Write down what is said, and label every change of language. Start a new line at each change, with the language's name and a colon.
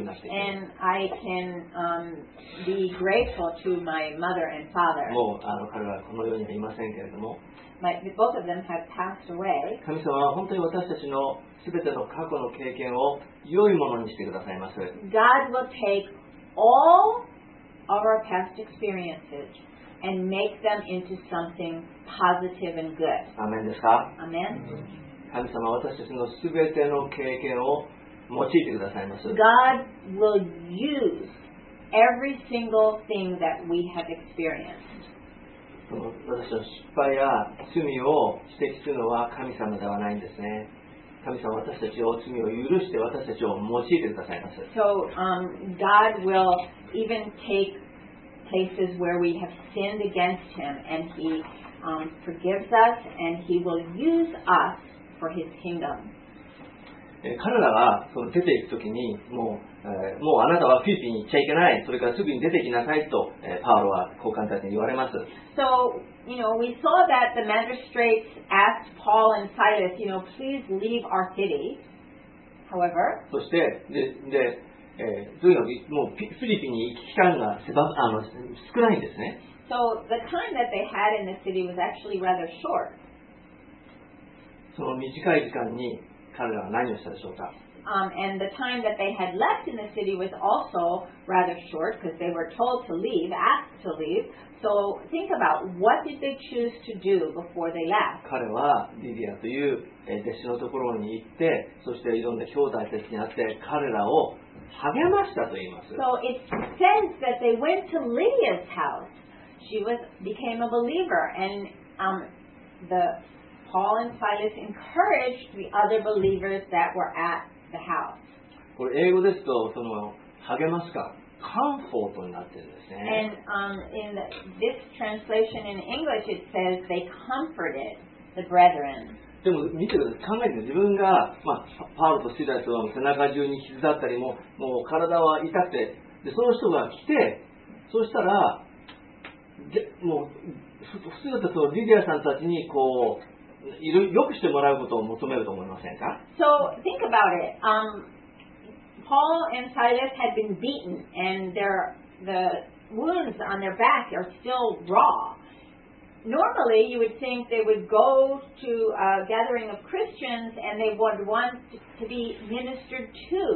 English: And I can, be grateful to my mother and father.
Japanese: もう、あの、彼はこの世にはいませんけれども。
English: Both of them have passed away.
Japanese: 神様は本当に私たちのすべての過去の経験を良いものにしてくださいます。
English: God will take all of our past experiences and make them into something positive and good.
Japanese: アメンですか？アメン。神様は私たちのすべての経験を用いてくださいます。
English: God will use every single thing that we have experienced.
Japanese: 私の失敗や罪を指摘するのは神様ではないんですね。神様は私たちを罪を許して私たちを用いてくださいます。
English: So, God will even take places where we have sinned against Him and He, forgives us and He will use us for His kingdom.
Japanese: 彼らが出ていくときにもうあなたはフィリピンに行っちゃいけない。それからすぐに出てきなさいと、パウロは高官たちに言われます。
English: So, you know, we saw that the magistrates asked Paul and Silas, you know, please leave our city. However,
Japanese: そして、で、というのもうフィリピンに行く期間が少ないんですね。
English: So, the time that they had in the city was actually rather short.
Japanese: その短い時間に彼らは何をしたでしょうか。
English: And the time that they had left in the city was also rather short because they were told to leave, asked to leave. So think about what did they choose to do before they left?
Japanese: 彼はリディアという弟子のところに行って、そしていろんな兄弟たちに会って彼らを励ましたと言います。
English: So it says that they went to Lydia's house. She was became a believer, and the Paul and Silas encouraged the other believers that were at the house.
Japanese: これ英語ですとその励ますか、comfort になってるんですね。
English: And in this translation in English it says they comforted the brethren.
Japanese: でも見てください、考えて自分が、まあ、パウロとシラスは背中中に傷だったり、もう体は痛くて、でその人が来て、そうしたら、でもう普通だとそのリディアさんたちにこう。良くしてもらうことを求めると思いませんか?
English: So, think about it. Paul and Silas had been beaten and the wounds on their back are still raw. Normally, you would think they would go to a gathering of Christians and they would want to be ministered to.